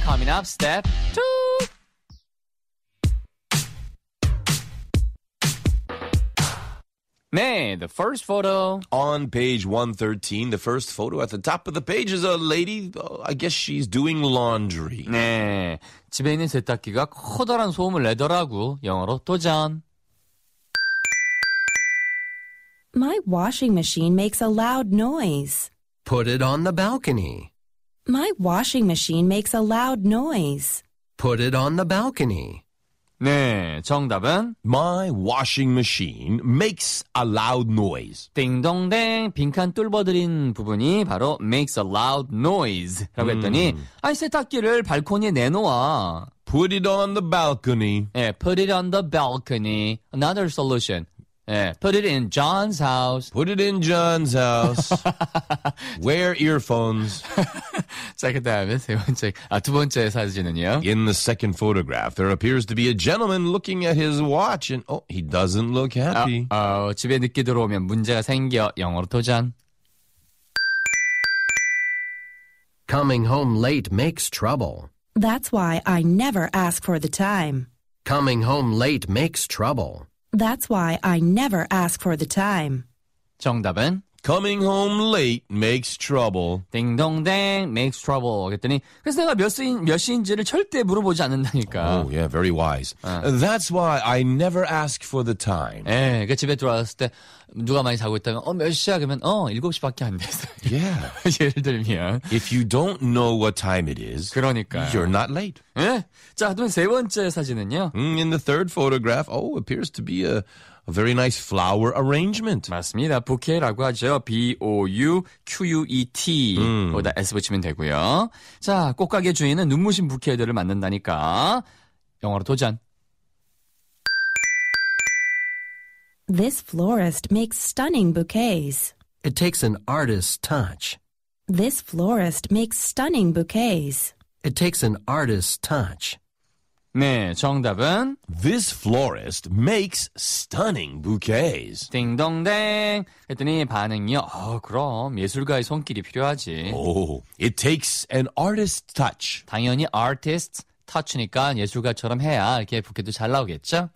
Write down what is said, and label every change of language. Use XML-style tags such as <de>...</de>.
<en>Coming up, step two. May, the first photo. On page 113, the first photo at the top of the page is a lady, I guess she's doing laundry.</en> <ko>네, 집에 있는 세탁기가 커다란 소음을 내더라고. 영어로 도전.</ko> <en>My washing machine makes a loud noise. Put it on the balcony. My washing machine makes a loud noise. Put it on the balcony.</en> <ko>네, 정답은</ko> <en>My washing machine makes a loud noise.</en> <ko>띵동댕, 빈칸 뚫어드린 부분이 바로</ko> <en>makes a loud noise</en> <ko>라고 했더니 아니, 세탁기를 발코니에 내놓아.</ko> <en>Put it on the balcony. 네, put it on the balcony. Another solution. 네, put it in John's house. Put it in John's house. Wear earphones.</en> <ko>자, 그 다음에 세 번째, 아, 두 번째 사진은요.</ko> <en>In the second photograph, there appears to be a gentleman looking at his watch and, oh, he doesn't look happy.</en> <ko>집에 늦게 들어오면 문제가 생겨. 영어로 도전.</ko> <en>Coming home late makes trouble. That's why I never ask for the time. Coming home late makes trouble. That's why I never ask for the time.</en> <ko>정답은?</ko> <en>Coming home late makes trouble.</en> <ko>딩동댕</ko> <en>makes trouble.</en> <ko>그랬더니 그래서 내가 몇 시인지를 절대 물어보지 않는다니까.</ko> <en>Oh, yeah, very wise. That's why I never ask for the time.</en> <ko>예, 그러니까 집에 들어왔을 때 누가 많이 자고 있다면 몇 시야? 그러면 7시밖에 안 됐어.</ko> <en>Yeah.</en> <ko>예를 들면.</ko> <en>If you don't know what time it is,</en> <ko>그러니까.</ko> <en>You're not late.</en> <ko>예? 자, 그럼 세 번째 사진은요.</ko> <en>In the third photograph, appears to be a very nice flower arrangement.</en> <ko>맞습니다. 부케라고 하죠. B-O-U-Q-U-E-T. 거기다 S 붙이면 되고요. 자, 꽃가게 주인은 눈부신 부케들을 만든다니까. 영어로 도전.</ko> <en>This florist makes stunning bouquets. It takes an artist's touch. This florist makes stunning bouquets. It takes an artist's touch.</en> <ko>네, 정답은</ko> <en>This florist makes stunning bouquets.</en> <ko>딩동댕 했더니 반응이 그럼 예술가의 손길이 필요하지.</ko> <en>It takes an artist's touch.</en> <ko>당연히</ko> <en>artist touch</en> <ko>니까 예술가처럼 해야 이렇게 부케도 잘 나오겠죠?</ko>